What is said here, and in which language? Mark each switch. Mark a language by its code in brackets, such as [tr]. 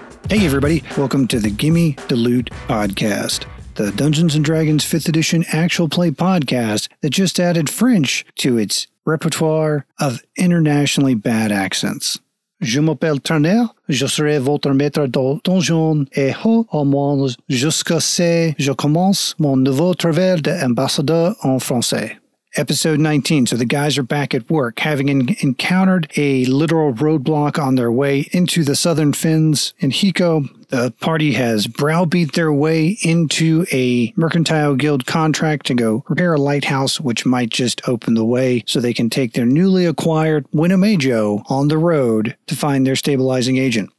[en] Hey everybody, welcome to the Gimme the Loot podcast, the Dungeons & Dragons 5th edition actual play podcast that just added French to its repertoire of internationally bad accents. [fr] Je m'appelle Turner, je serai votre maître de donjon et haut au moins jusqu'à ce que je commence mon nouveau travail d'ambassadeur en français. [en] Episode 19. So the guys are back at work, having encountered a literal roadblock on their way into the Southern Fens in Hiko. The party has browbeat their way into a mercantile guild contract to go repair a lighthouse, which might just open the way so they can take their newly acquired Winamajo on the road to find their stabilizing agent.